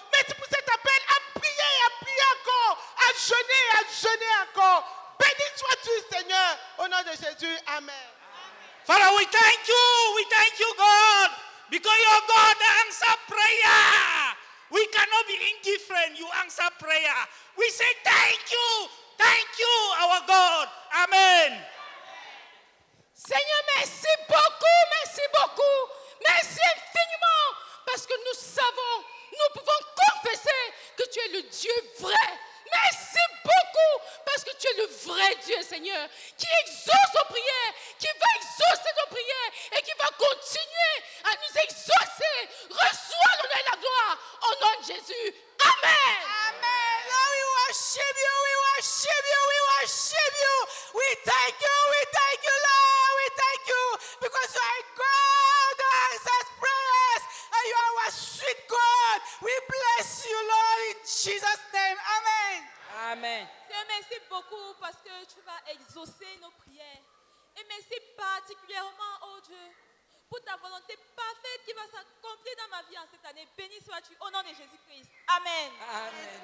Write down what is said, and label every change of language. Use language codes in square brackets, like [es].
[fr] Merci pour cet appel à prier encore, à jeûner encore. Béni sois-tu, Seigneur, au nom de Jésus. Amen. [en] Father, we thank you, God, because your God answers prayer. We cannot be indifferent, you answer prayer. We say thank you, our God. Amen. [fr] Seigneur, merci beaucoup, merci infiniment, parce que nous savons, nous pouvons confesser que tu es le Dieu vrai. Merci beaucoup parce que tu es le vrai Dieu, Seigneur, qui exauce nos prières, qui va exaucer nos prières et qui va continuer à nous exaucer. Reçois l'honneur et la gloire au nom de Jésus. Amen. Amen. [en] Lord, we worship you, we worship you, we worship you. We thank you, Lord, we thank you because you are God who answers prayers and you are our sweet God. We bless you, Lord, in Jesus' name. Amen. Amen. [fr] Seigneur, merci beaucoup parce que tu vas exaucer nos prières. Et merci particulièrement, oh Dieu, pour ta volonté parfaite qui va s'accomplir dans ma vie en cette année. Béni sois-tu au nom de Jésus-Christ. Amen. Amen.